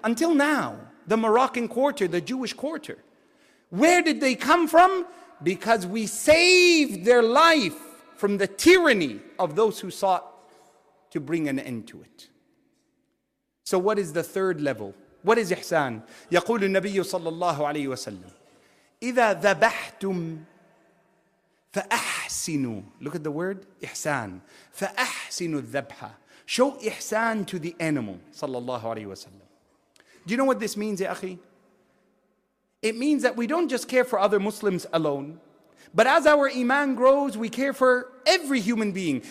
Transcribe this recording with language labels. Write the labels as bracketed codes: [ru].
[en] Until now, the Moroccan quarter, the Jewish quarter. Where did they come from? Because we saved their life from the tyranny of those who sought to bring an end to it. So what is the third level? What is Ihsan? [ar] يقول النبي صلى الله عليه وسلم إذا ذبحتم فأحسنوا. [en] Look at the word إحسان. [ar] فأحسنوا الذبحة. [en] Show إحسان to the animal. [ar] صلى الله عليه وسلم. [en] Do you know what this means, [ar] يا أخي? [en] It means that we don't just care for other Muslims alone, but as our iman grows, we care for every human being.